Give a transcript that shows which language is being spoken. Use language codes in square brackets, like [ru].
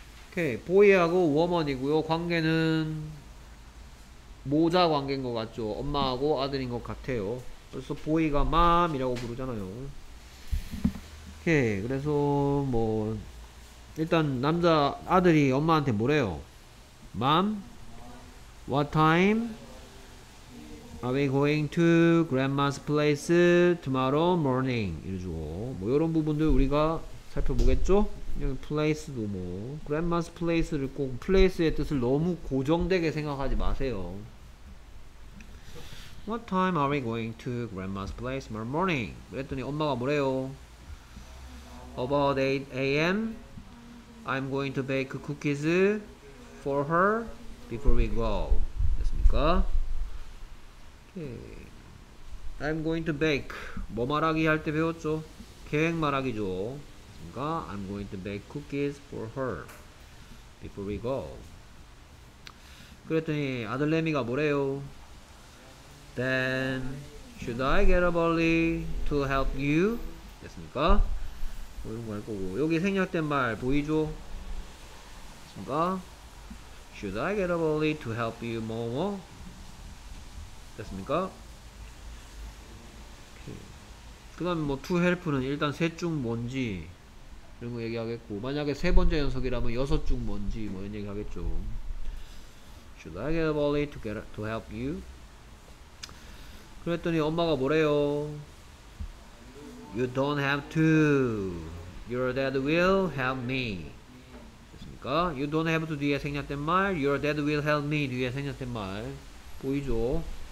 [ko] 오케이. 보이하고 워먼이고요. 관계는 모자 관계인 것 같죠. 엄마하고 아들인 것 같아요. 그래서 보이가 맘이라고 부르잖아요. 오케이. 그래서 뭐 일단 남자 아들이 엄마한테 뭐래요? 맘? [en] What time are we going to grandma's place tomorrow morning? [ko] 이러죠. 뭐 이런 부분들 우리가 살펴보겠죠? 여기 place도 뭐 grandma's place를 꼭 place의 뜻을 너무 고정되게 생각하지 마세요. [en] What time are we going to grandma's place tomorrow morning? [ko] 그랬더니 엄마가 뭐래요? [en] About 8 AM I'm going to bake cookies for her before we go. [ko] 됐습니까? [en] Okay. I'm going to bake. [ko] 뭐 말하기 할 때 배웠죠? 계획 말하기죠. 됐습니까? [en] I'm going to bake cookies for her before we go. [ko] 그랬더니 아들내미가 뭐래요? [en] Then should I get up early to help you? [ko] 됐습니까? 뭐 이런 거 할 거고. 여기 생략된 말 보이죠? 됐습니까? [en] Should I get up early to help you, Momo? [ko] 됐습니까? 그 다음에 뭐 to help는 일단 셋 중 뭔지 이런 거 얘기하겠고 만약에 세 번째 연속이라면 여섯 중 뭔지 뭐 이런 얘기 하겠죠. [en] Should I get up early to help you? [ko] 그랬더니 엄마가 뭐래요? [en] You don't have to. Your dad will help me. [ko] 그러니까 [en] you don't have to [ko] 뒤에 생략된 말, [en] your dad will help me [ko] 뒤에 생략된 말 보이죠?